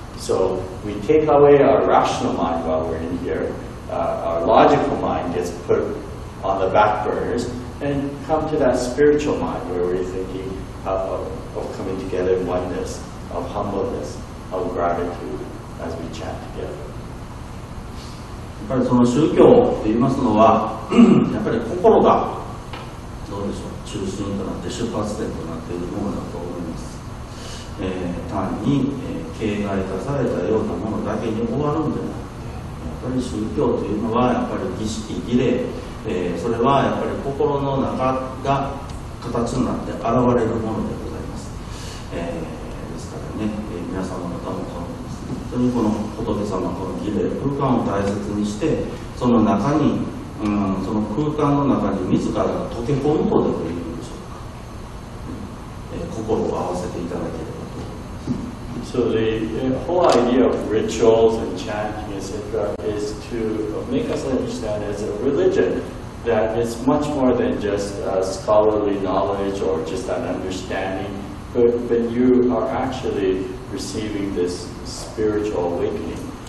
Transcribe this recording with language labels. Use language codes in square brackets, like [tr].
[en] So we take away our rational mind while we're in here. Our logical mind gets put on the back burners and come to that spiritual mind where we're thinking of coming together in oneness, of humbleness, of gratitude as we chant together. [ja] やっぱりその宗教と言いますのはやっぱり心がどうでしょう、中心となって出発点となっているものだと思います。単に、形骸化されたようなものだけに終わるんじゃなくて、やっぱり宗教というのはやっぱり儀式儀礼、それはやっぱり心の中が形になって現れるものでございます。ですからね、皆様の方もこの本当にこの仏様、この儀礼空間を大切にして、その中に、その空間の中に自らが溶け込むとでもいいんでしょうか、心を合わせていただければ。 [en] So the whole idea of rituals and chanting, etc., is to make us understand as a religion that it's much more than just scholarly knowledge or just an understanding, but you are actually receiving this spiritual awakening.